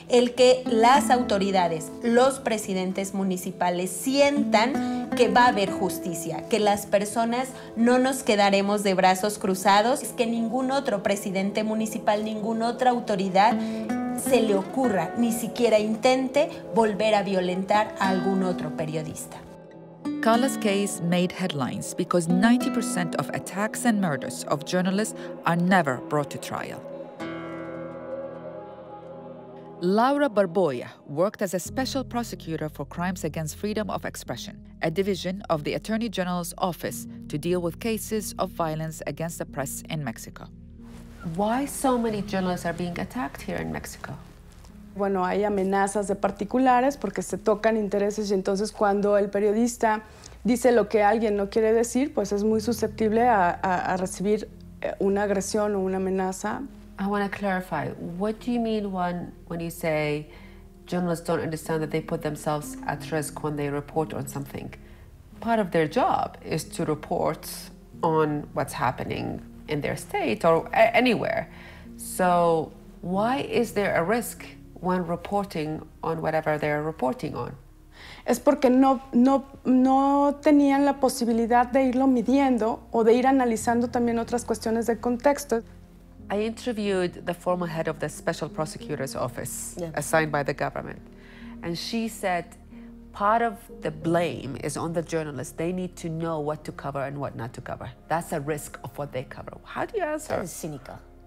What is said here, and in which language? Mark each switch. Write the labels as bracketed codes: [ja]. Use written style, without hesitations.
[es] El que las autoridades, los presidentes municipales, sientan que va a haber justicia, que las personas no nos quedaremos de brazos cruzados, es que ningún otro presidente municipal, ninguna otra autoridad se le ocurra, ni siquiera intente volver a violentar a algún otro periodista. [en] Carla's case made headlines because 90% of attacks and murders of journalists are never brought to trial. Laura Barboya worked as a special prosecutor for crimes against freedom of expression, a division of the Attorney General's office to deal with cases of violence against the press in Mexico. Why so many journalists are being attacked here in Mexico? [es] Bueno, hay amenazas de particulares porque se tocan intereses y entonces cuando el periodista dice lo que alguien no quiere decir, pues es muy susceptible a recibir una agresión o una amenaza. [en] I want to clarify, what do you mean when you say journalists don't understand that they put themselves at risk when they report on something? Part of their job is to report on what's happening in their state or anywhere. So why is there a risk when reporting on whatever they are reporting on? [es] Es porque no tenían la posibilidad de irlo midiendo o de ir analizando también otras cuestiones de contexto. [en] I interviewed the former head of the Special Prosecutor's Office, assigned by the government, and she said part of the blame is on the journalists. They need to know what to cover and what not to cover. That's a risk of what they cover. How do you answer? That is cynical.